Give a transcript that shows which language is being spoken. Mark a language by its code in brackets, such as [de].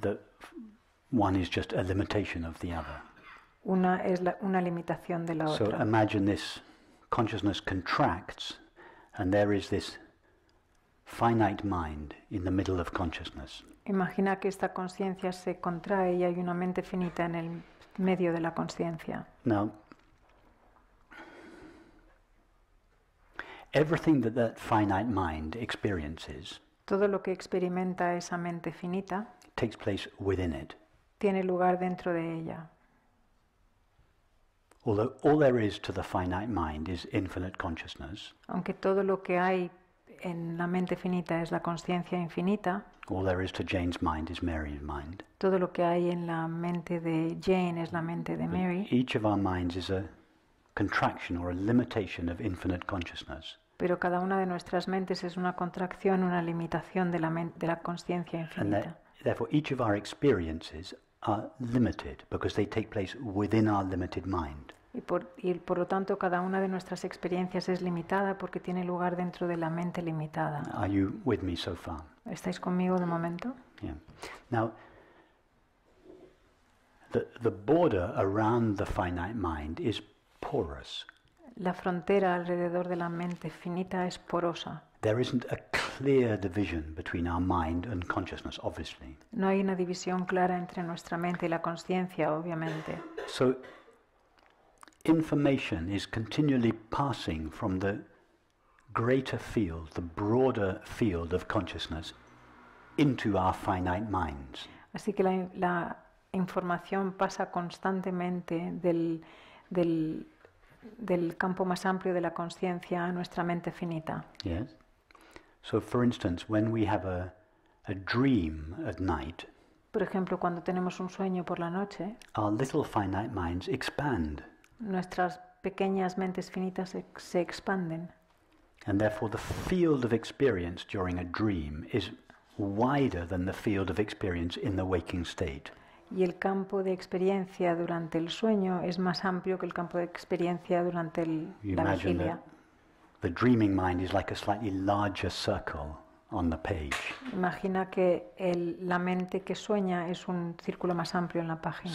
[en] The one is just a limitation of the other. [es] Una es una limitación de la otra. [en] So imagine this consciousness contracts and there is this finite mind in the middle of consciousness. [es] Imagina que esta conciencia se contrae y hay una mente finita en el medio de la conciencia. [en] Now, Everything that that finite mind experiences, [es] todo lo que experimenta esa mente finita, [en] takes place within it. [es] Tiene lugar dentro de ella. [en] Although all there is to the finite mind is infinite consciousness, [es] aunque todo lo que hay en la mente finita es la conciencia infinita, [en] all there is to Jane's mind is Mary's mind. [es] Todo lo que hay en la mente de Jane es la mente de Mary. [en] Each of our minds is a contraction or a limitation of infinite consciousness. [es] Pero cada una de nuestras mentes es una contracción, una limitación de la mente, de la conciencia infinita. [en] And that, therefore, each of our experiences are limited because they take place within our limited mind. [es] Y por lo tanto, cada una de nuestras experiencias es limitada porque tiene lugar dentro de la mente limitada. [en] Are you with me so far? [es] ¿Estáis conmigo de momento? [en] Yeah. Now, the border around the finite mind is porous. [es] La frontera alrededor de la mente finita es porosa. [en] There isn't a clear division between our mind and consciousness, obviously. [es] No hay una división clara entre nuestra mente y la conciencia, obviamente. [en] So, information is continually passing from the greater field, the broader field of consciousness, into our finite minds. [es] Así que la información pasa constantemente del campo más amplio de la conciencia a nuestra mente finita. [en] Yes. So, for instance, when we have a dream at night, [es] por ejemplo, cuando tenemos un sueño por la noche, [en] our little finite minds expand. [es] Nuestras pequeñas mentes finitas se expanden. [en] And therefore the field of experience during a dream is wider than the field of experience in the waking state. [es] Y el campo de experiencia durante el sueño es más amplio que el campo de experiencia durante la vigilia. [en] The dreaming mind is like a slightly larger circle on the page. [es] Imagina que la mente que sueña es un círculo más amplio en la página.